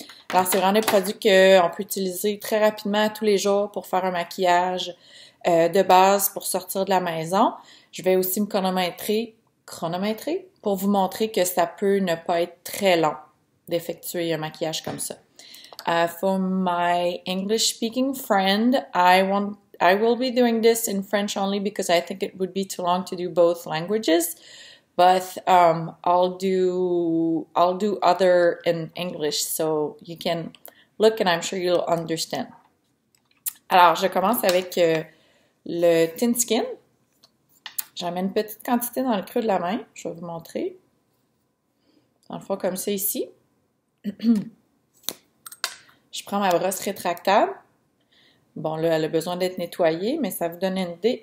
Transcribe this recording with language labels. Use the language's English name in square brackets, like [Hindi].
[French] Alors, c'est vraiment des produits qu'on peut utiliser très rapidement tous les jours pour faire un maquillage de base pour sortir de la maison. Je vais aussi me chronométrer pour vous montrer que ça peut ne pas être très long d'effectuer un maquillage comme ça. [English] For my English speaking friend, I will be doing this in French only because I think it would be too long to do both languages. But I'll do other in English, so you can look and I'm sure you'll understand. [French] Alors, je commence avec le Tint Skin. J'en mets une petite quantité dans le creux de la main. Je vais vous montrer. Dans le fond, comme ça ici. Je prends ma brosse rétractable. Bon, là, elle a besoin d'être nettoyée, mais ça vous donne une idée.